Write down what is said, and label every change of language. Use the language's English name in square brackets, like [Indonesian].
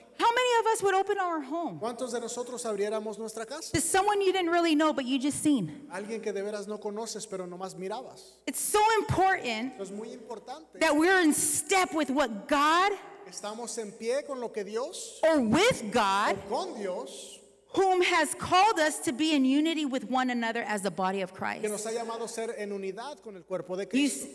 [English] How many of us would open our home? [Spanish] ¿Cuántos de nosotros abriéramos nuestra casa? [English] To someone you didn't really know, but you just seen. [Spanish] Alguien que de veras no conoces, pero nomás mirabas. [English] It's so important [Spanish] es muy importante [English] that we're in step with what God [Spanish] estamos en pie con lo que Dios [English] or with God [Spanish] o con Dios, [English] whom has called us to be in unity with one another as the body of Christ. [Spanish] Que nos ha llamado ser en unidad con el cuerpo de Cristo.